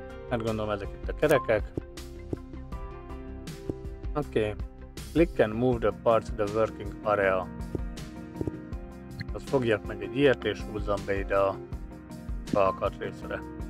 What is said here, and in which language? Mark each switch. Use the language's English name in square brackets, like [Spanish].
[Hungarian] Hát gondolom ezek itt a kerekek. Oké. Okay. [English] Click and move the parts to the working area. [Hungarian] Az fogjak meg egy ilyet és húzzam be ide a alkatrészre.